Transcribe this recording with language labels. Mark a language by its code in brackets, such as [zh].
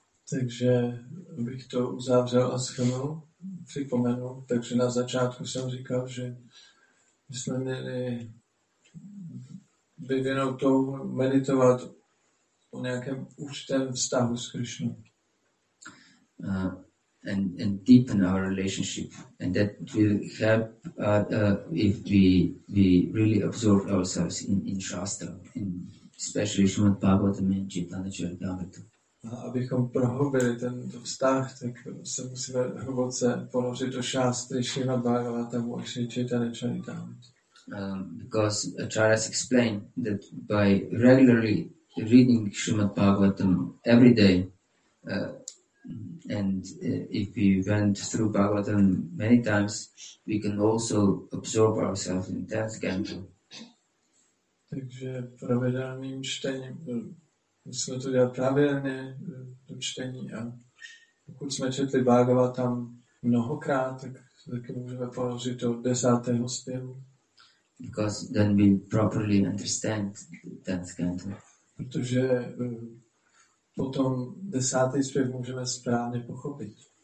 [cs] Takže bych to uzavřel a shrnul, připomenul. Takže na začátku jsem říkal, že jsme měli vyvinout to meditovat o nějakém určitém vztahu s Krišnou. [en] And deepen our relationship, and that will help if we really absorb ourselves in Shastra, in especially Srimad Bhagavatam and Chaitanya Charitamrita. [cs] A abychom prohloubili ten vztah, tak se musíme hluboce položit do šástry Srimad Bhagavatam a Chaitanya Charitamrita. [en] Because Acharyas explain that by regularly reading Srimad Bhagavatam every day, and if we went through Bhagavatam many times, we can also absorb ourselves in that canto. [cs] Takže pravidelným čtením, musíme to dělat pravidelně, to čtení, a pokud jsme četli Bhagavatam mnohokrát, tak taky můžeme položit do 10. zpěvu. [en] because then we properly understand the 10th canto. [cs] Protože potom 10. zpěv můžeme správně pochopit.